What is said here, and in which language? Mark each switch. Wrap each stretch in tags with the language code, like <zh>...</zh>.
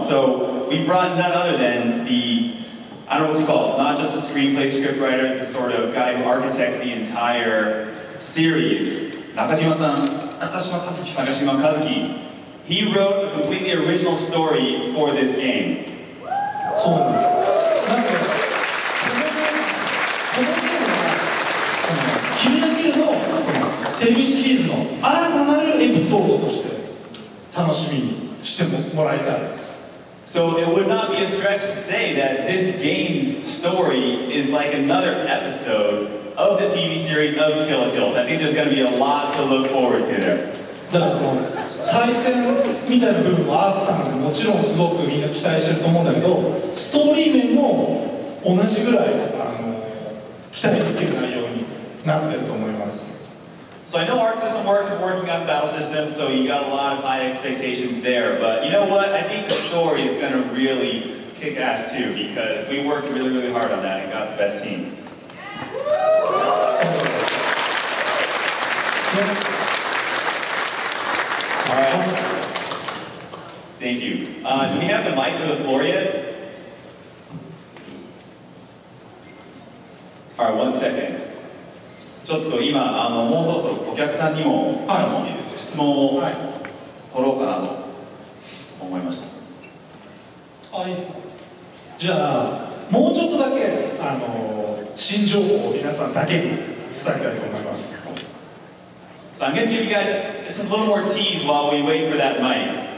<en>So we brought none other than the I don't know what you call it, not just the screenplay scriptwriter, the sort of guy who architected the entire series.</en> <ja>中島和樹さん。</ja> <en>He wrote a completely original story for this game.</en> <ja>そうなんです。なんで、このゲームは、キルラキルのテレビシリーズの新たなるエピソードとして楽しみにしてもらいたい。</ja> <en>So it would not be a stretch to say that this game's story is like another episode of the TV series of Kill la Kill. So I think there's going to be a lot to look forward to there.</en> <ja>だからその対戦みたいな部分はアークさんもちろんすごくみんな期待してると思うんだけど、ストーリー面も同じぐらい期待できる内容になってると思います。</ja> <en>So I know Art System Works is working on battle systems, so you got a lot of high expectations there, but you know what, I think the story is going to really kick ass too, because we worked really really hard on that and got the best team. Thank you. Do we have the mic for the floor yet? All right, one second.</en> <ja>ちょっと今もうそろそろお客さんにも、はい、いいですよ、質問を、はい、取ろうかなと思いました。あ、いいですか。じゃあもうちょっとだけ新情報を皆さんだけに伝えたいと思います。</ja> <en>So I'm going to give you guys just a little more tease while we wait for that mic.</en>